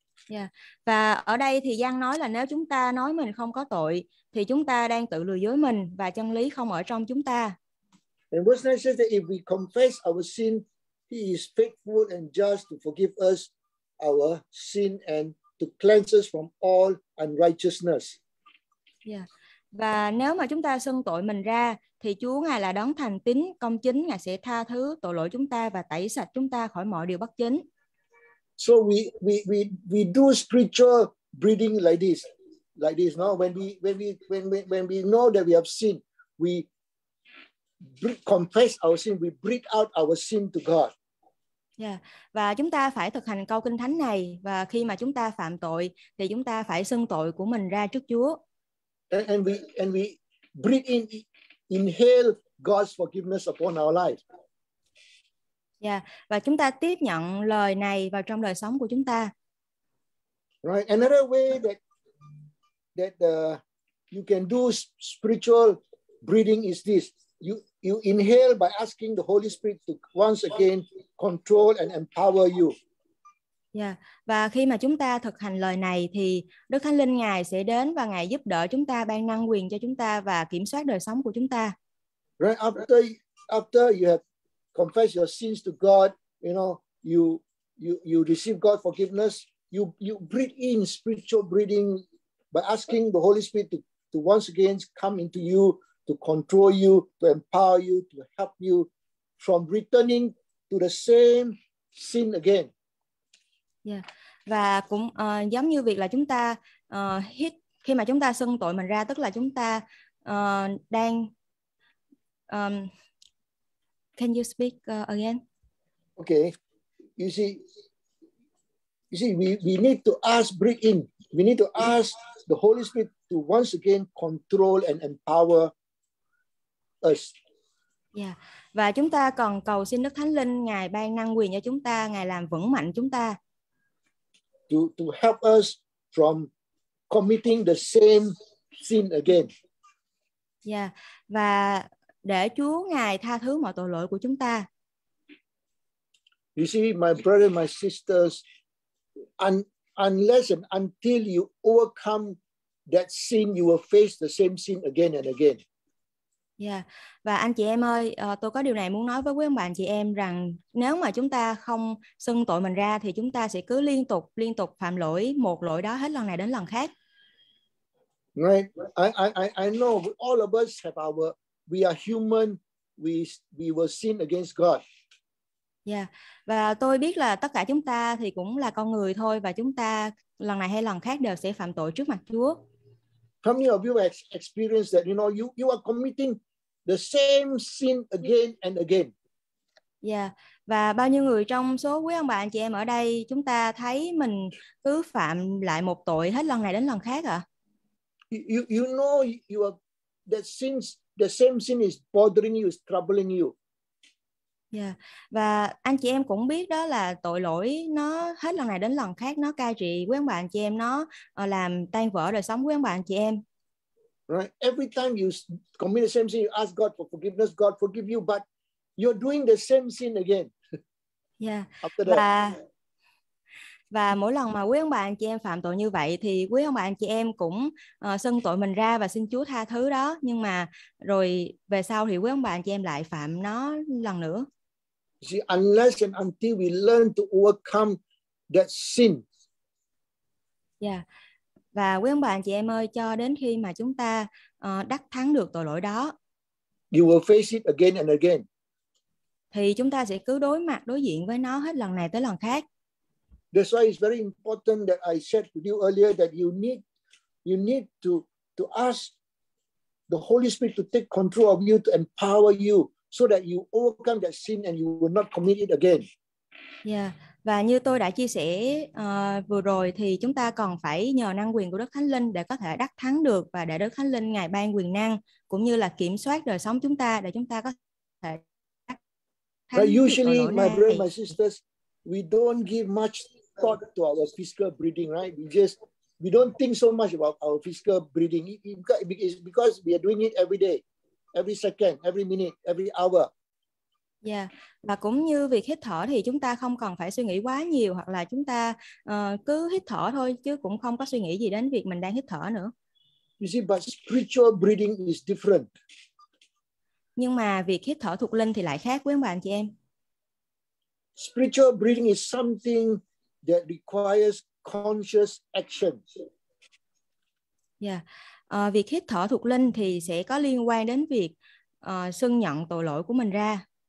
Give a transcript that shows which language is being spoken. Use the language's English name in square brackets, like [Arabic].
[English] Yeah. [Vietnamese] Và ở đây thì Giăng nói là nếu chúng ta nói mình không có tội thì chúng ta đang tự lừa dối mình và chân lý không ở trong chúng ta. [English] And verse 9 says that if we confess our sin, He is faithful and just to forgive us our sin and to cleanse us from all unrighteousness. Yeah. [Vietnamese] Và nếu mà chúng ta xưng tội mình ra thì Chúa Ngài là đấng thành tín công chính, Ngài sẽ tha thứ tội lỗi chúng ta và tẩy sạch chúng ta khỏi mọi điều bất chính. [English] So we do spiritual breathing like this, no? When we know that we have sinned, we confess our sin, we breathe out our sin to God. Yeah. [Vietnamese] Và chúng ta phải thực hành câu kinh thánh này, và khi mà chúng ta phạm tội thì chúng ta phải xưng tội của mình ra trước Chúa. [English] And we breathe in, inhale God's forgiveness upon our life. Yeah. [Vietnamese] Và chúng ta tiếp nhận lời này vào trong đời sống của chúng ta. [English] Right. Another way that you can do spiritual breathing is this. You inhale by asking the Holy Spirit to once again control and empower you. Yeah. [Vietnamese] Và khi mà chúng ta thực hành lời này thì Đức Thánh Linh Ngài sẽ đến và Ngài giúp đỡ chúng ta, ban năng quyền cho chúng ta và kiểm soát đời sống của chúng ta. [English] Right. After you have confess your sins to God, you know, you receive God's forgiveness, you breathe in spiritual breathing by asking the Holy Spirit to once again come into you, to control you, to empower you, to help you from returning to the same sin again. Yeah. [Vietnamese] Và cũng giống như việc là chúng ta hít, khi mà chúng ta xưng tội mình ra, tức là chúng ta đang [English] can you speak again? Okay. You see, we need to ask, breathe in. We need to ask the Holy Spirit to once again control and empower us. Yeah. [Vietnamese] Và chúng ta còn cầu xin Đức Thánh Linh Ngài ban năng quyền cho chúng ta, Ngài làm vững mạnh chúng ta. [English] To help us from committing the same sin again. Yeah. [Vietnamese] Và để Chúa Ngài tha thứ mọi tội lỗi của chúng ta. [English] You see, my brother, my sisters, unless and until you overcome that sin, you will face the same sin again and again. Yeah. [Vietnamese] Và anh chị em ơi, tôi có điều này muốn nói với quý ông bà anh chị em rằng nếu mà chúng ta không xưng tội mình ra thì chúng ta sẽ cứ liên tục phạm lỗi một lỗi đó hết lần này đến lần khác. [English] Right. I know all of us have our, we are human, we will sin against God. Yeah. [Vietnamese] Và tôi biết là tất cả chúng ta thì cũng là con người thôi, và chúng ta lần này hay lần khác đều sẽ phạm tội trước mặt Chúa. [English] How many of you experienced that, you know, you are committing the same sin again and again? Yeah. [Vietnamese] Và bao nhiêu người trong số quý ông bà anh chị em ở đây, chúng ta thấy mình cứ phạm lại một tội hết lần này đến lần khác ạ? [English] You know you are that sins, the same sin is bothering you, is troubling you. Yeah. [Vietnamese] Và anh chị em cũng biết đó là tội lỗi nó hết lần này đến lần khác, nó cai trị quý ông bà anh chị em, nó làm tan vỡ đời sống quý ông bà anh chị em. [English] Right. Every time you commit the same sin, you ask God for forgiveness, God forgive you, but you're doing the same sin again. Yeah. After that. [Vietnamese] Và mỗi lần mà quý ông bà anh chị em phạm tội như vậy thì quý ông bà anh chị em cũng xưng tội mình ra và xin Chúa tha thứ đó, nhưng mà rồi về sau thì quý ông bà anh chị em lại phạm nó lần nữa. [English] See, unless and until we learn to overcome that sin. Yeah. [Vietnamese] Và quý ông bà anh chị em ơi, cho đến khi mà chúng ta đắc thắng được tội lỗi đó, [English] you will face it again and again. [Vietnamese] Thì chúng ta sẽ cứ đối mặt, đối diện với nó hết lần này tới lần khác. [English] That's why it's very important that I said to you earlier that you need to ask the Holy Spirit to take control of you, to empower you, so that you overcome that sin and you will not commit it again. Yeah. [Vietnamese] Và như tôi đã chia sẻ vừa rồi thì chúng ta còn phải nhờ năng quyền của Đức Thánh Linh để có thể đắc thắng được, và để Đức Thánh Linh Ngài ban quyền năng cũng như là kiểm soát đời sống chúng ta để chúng ta có thể đắc thắng. [English] But usually, my brothers, my sisters, we don't give much thought to our physical breathing, right? We don't think so much about our physical breathing. It's because we are doing it every day, every second, every minute, every hour. Yeah. [Vietnamese] Và cũng như việc hít thở thì chúng ta không cần phải suy nghĩ quá nhiều, hoặc là chúng ta cứ hít thở thôi, chứ cũng không có suy nghĩ gì đến việc mình đang hít thở nữa. [English] You see, but spiritual breathing is different. [Vietnamese] Nhưng mà việc hít thở thuộc linh thì lại khác, quý ông bà anh chị em. [English] Spiritual breathing is something that requires conscious action. Yeah. [Vietnamese] Việc hít thở thuộc linh thì sẽ có liên quan đến việc xưng nhận tội lỗi của mình ra.